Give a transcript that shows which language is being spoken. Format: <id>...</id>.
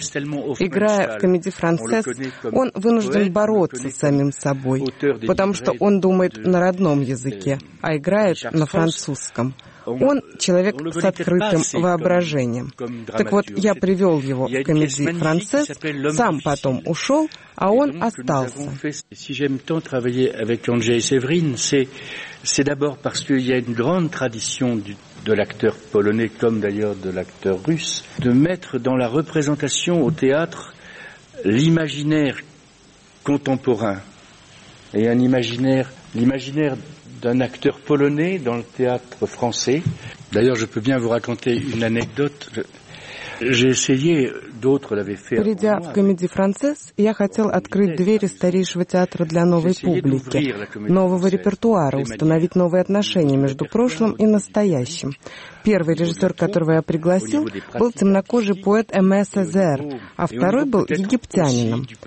<ru>Играя в комедии «Францесс», он вынужден бороться с самим собой, потому что он думает на родном языке, а играет на французском. Он человек с открытым воображением. Так вот, я привел его в комедии «Францесс», сам потом ушел, а он остался.</ru> <fr>Si j'aime tant travailler avec Anjé Séverine, c'est d'abord parce qu'il y a une grande tradition de l'acteur polonais, comme d'ailleurs de l'acteur russe, de mettre dans la représentation au théâtre l'imaginaire contemporain et un imaginaire, l'imaginaire d'un acteur polonais dans le théâtre français. D'ailleurs, je peux bien vous raconter une anecdote.</fr> <ru>Придя в комедии «Францесс», я хотел открыть двери старейшего театра для новой публики, нового репертуара, установить новые отношения между прошлым и настоящим. Первый режиссер, которого я пригласил, был темнокожий поэт Эмэ Сезер, а второй был египтянином.</ru>